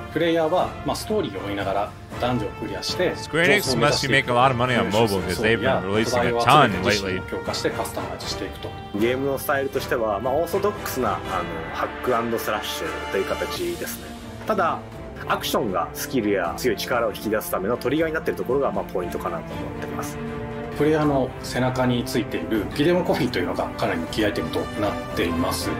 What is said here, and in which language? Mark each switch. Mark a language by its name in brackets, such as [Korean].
[Japanese] プレイヤーは、ストーリーを追いながらダンジョンをクリアして、 [English] Square Enix must make a lot of money on mobile because they've been releasing a ton lately. [Japanese] 強化してカスタマイズしていくと。ゲームのスタイルとしては、オーソドックスなあのハック&スラッシュという形ですね。ただアクションがスキルや強い力を引き出すためのトリガーになっているところが、ポイントかなと思ってます。プレイヤーの背中についているギデモコインというのがかなりキーアイテムとなっています。